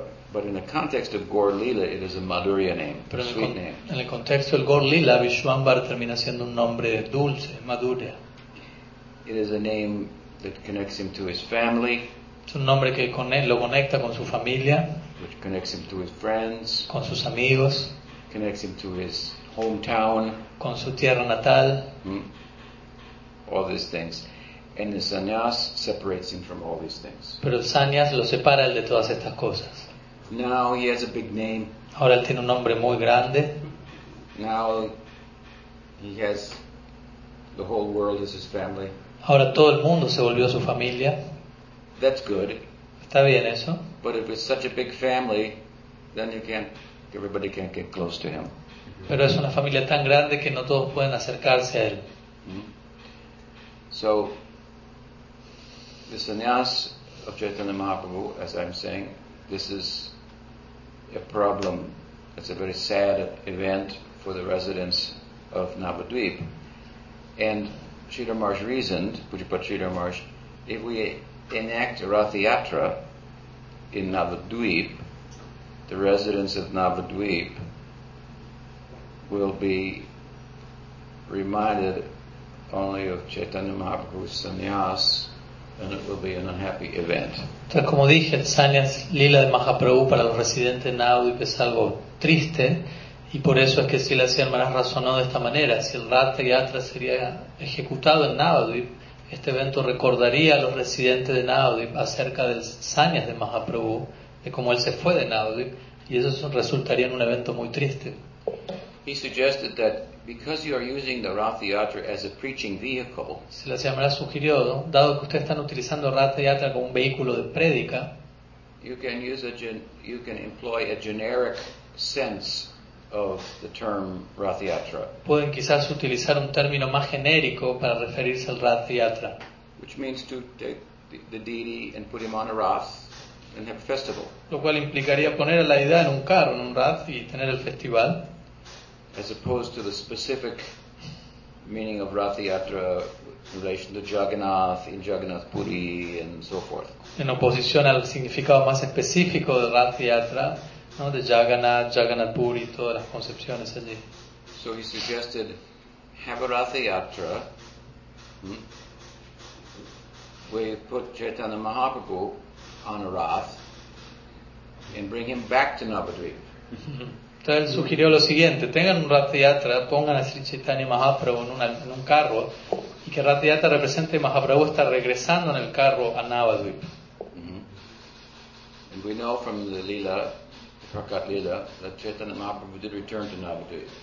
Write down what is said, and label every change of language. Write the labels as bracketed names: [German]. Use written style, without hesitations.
[English] But in the context of Gaur Lila, it is a Madhurya name, a sweet name. [Spanish] En el contexto del Gaur Lila, Vishvambhar termina siendo un nombre dulce, Madhurya. [English] It is a name that connects him to his family. [Spanish] Es un nombre que lo conecta con su familia. [English] Which connects him to his friends. [Spanish] Con sus amigos. [English] Connects him to his hometown. [Spanish] Con su tierra natal. [English] All these things. And the sannyas separates him from all these things. [Spanish] Pero el sannyas lo separa de todas estas cosas. [English] Now he has a big name. [Spanish] Ahora él tiene un nombre muy grande. [English] Now he has the whole world is his family. [Spanish] Ahora todo el mundo se volvió su familia. [English] That's good. [Spanish] Está bien eso. [English] But if it's such a big family, then you can't. Everybody can't get close to him. [Spanish] Pero es una familia tan grande que no todos pueden acercarse a él. [English] So the sannyas of Caitanya Mahaprabhu, as I'm saying, this is a problem. It's a very sad event for the residents of Navadvip. And Sridhar Maharaj reasoned, Pujapati Sridhar Maharaj, if we enact a Rath Yatra in Navadvip, the residents of Navadvip will be reminded only of Caitanya Mahaprabhu's sannyas, and it will be an unhappy event. [Spanish] Entonces, como dije, el Sannyasa-lila de Mahaprabhu para los residentes en Navadvipa es algo triste, y por eso es que si la Sila Maharaj razonó de esta manera, si el Ratha Yatra sería ejecutado en Navadvipa, este evento recordaría a los residentes de Navadvipa acerca del sannyas de Mahaprabhu, de cómo él se fue de Navadvipa, y eso resultaría en un evento muy triste. [English] He suggested that because you are using the Ratha Yatra as a preaching vehicle, [Spanish] se la llamará sugirió, ¿no? Dado que ustedes están utilizando Ratha Yatra como un vehículo de prédica, [English] you can employ a generic sense of the term Ratha Yatra. [Spanish] Pueden quizás utilizar un término más genérico para referirse al Ratha Yatra, [English] which means to take the deity and put him on a Rath and have a festival. [Spanish] Lo cual implicaría poner a la deidad en un carro, en un Rath, y tener el festival. [English] As opposed to the specific meaning of Ratha Yatra in relation to Jagannath, in Jagannath Puri, and so forth. [Spanish] En oposición al significado más específico de Ratha Yatra, ¿no? De Jagannath, Jagannath Puri, todas las concepciones allí. [English] So he suggested have a Ratha Yatra where you put Caitanya Mahaprabhu on a Rath and bring him back to Navadvipa. [Spanish] Entonces él sugirió lo siguiente: tengan un Ratha Yatra, pongan a Sri Chaitanya Mahaprabhu en un carro, y que Ratha Yatra represente a Mahaprabhu está regresando en el carro a Navadvipa. [English] And we know from the Lila, the Prakat Lila, that Chaitanya Mahaprabhu did return to Navadvipa.